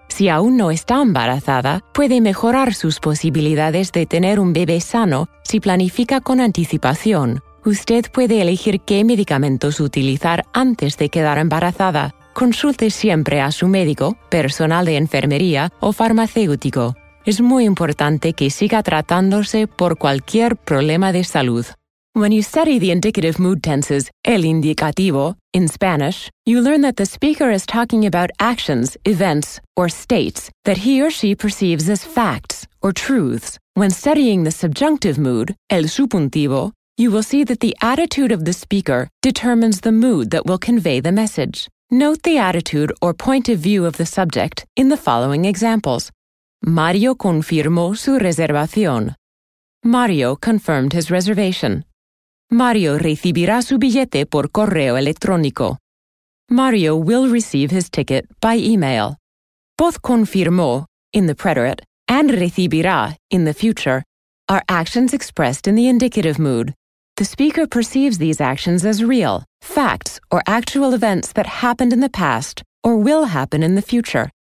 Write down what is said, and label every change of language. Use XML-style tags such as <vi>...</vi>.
<es>Si aún no está embarazada, puede mejorar sus posibilidades de tener un bebé sano si planifica con anticipación. Usted puede elegir qué medicamentos utilizar antes de quedar embarazada. Consulte siempre a su médico, personal de enfermería o farmacéutico. Es muy importante que siga tratándose por cualquier problema de salud.</es> <en>When you study the indicative mood tenses, el indicativo, in Spanish, you learn that the speaker is talking about actions, events, or states that he or she perceives as facts or truths. When studying the subjunctive mood, el subjuntivo, you will see that the attitude of the speaker determines the mood that will convey the message. Note the attitude or point of view of the subject in the following examples.</en> <es>Mario confirmó su reservación.</es> <en>Mario confirmed his reservation.</en> <es>Mario recibirá su billete por correo electrónico.</es> <en>Mario will receive his ticket by email. Both confirmó, in the preterite, and recibirá, in the future, are actions expressed in the indicative mood. The speaker perceives these actions as real, facts or actual events that happened in the past or will happen in the future.</en>